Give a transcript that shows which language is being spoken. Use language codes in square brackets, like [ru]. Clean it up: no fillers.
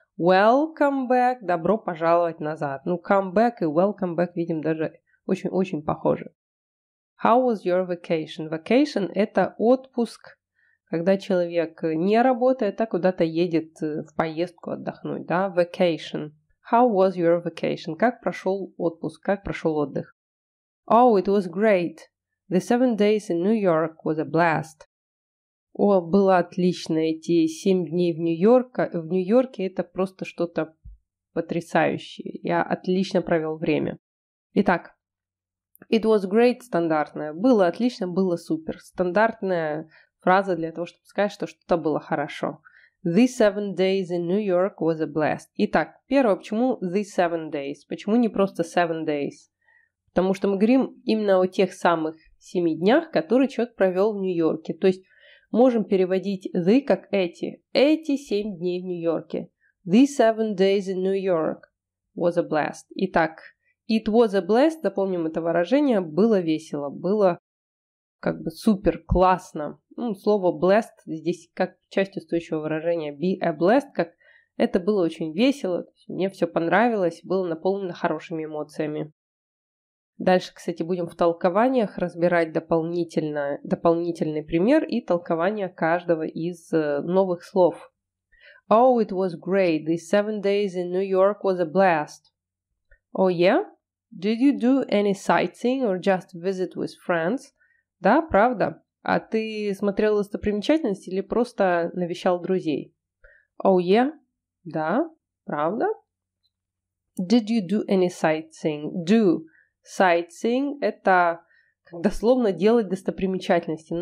[en] Welcome back, [ru] добро пожаловать назад. Ну, [en] come back [ru] и [en] welcome back, [ru] видим, даже очень-очень похожи. [en] How was your vacation? [ru] Vacation – это отпуск, когда человек не работает, а куда-то едет в поездку отдохнуть, да? [en] Vacation. How was your vacation? [ru] Как прошел отпуск, как прошел отдых? [en] Oh, it was great. The 7 days in New York was a blast. [ru] О, было отлично, эти 7 дней в Нью-Йорке это просто что-то потрясающее. Я отлично провел время. Итак, [en] it was great, [ru] стандартная. Было отлично, было супер. Стандартная фраза для того, чтобы сказать, что что-то было хорошо. [en] The 7 days in New York was a blast. [ru] Итак, первое, почему [en] the 7 days? [ru] Почему не просто [en] 7 days? [ru] Потому что мы говорим именно о тех самых 7 днях, которые человек провел в Нью-Йорке. То есть можем переводить the как эти. Эти 7 дней в Нью-Йорке. [en] The 7 days in New York was a blast. [ru] Итак, [en] it was a blast, [ru] дополним это выражение, было весело, было как бы супер классно. Ну, слово blast здесь как часть устойчивого выражения [en] be a blast, [ru] как это было очень весело, мне все понравилось, было наполнено хорошими эмоциями. Дальше, кстати, будем в толкованиях разбирать дополнительный пример и толкование каждого из новых слов. [en] Oh, it was great. The 7 days in New York was a blast. Oh, yeah? Did you do any sightseeing or just visit with friends? [ru] Да, правда. А ты смотрел достопримечательности или просто навещал друзей? [en] Oh, yeah? [ru] Да, правда. [en] Did you do any sightseeing? Do. [ru] Sightseeing – это как дословно делать достопримечательности.